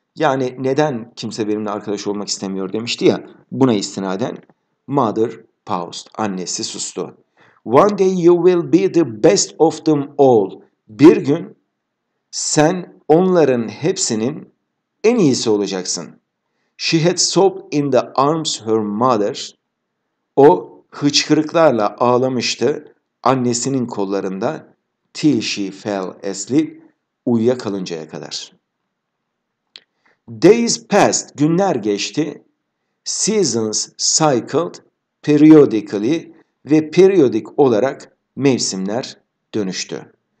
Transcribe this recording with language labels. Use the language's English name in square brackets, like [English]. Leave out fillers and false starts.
[Turkish] Yani neden kimse benimle arkadaş olmak istemiyor demişti ya, buna istinaden. [English] Mother paused. [Turkish] Annesi sustu. [English] One day you will be the best of them all. [Turkish] Bir gün sen onların hepsinin en iyisi olacaksın. [English] She had sobbed in the arms her mother. [Turkish] O hıçkırıklarla ağlamıştı annesinin kollarında, [English] till she fell asleep, [Turkish] uyuyakalıncaya kadar. [English] Days passed, [Turkish] günler geçti. [English] Seasons cycled periodically, [Turkish] ve periyodik olarak mevsimler dönüştü.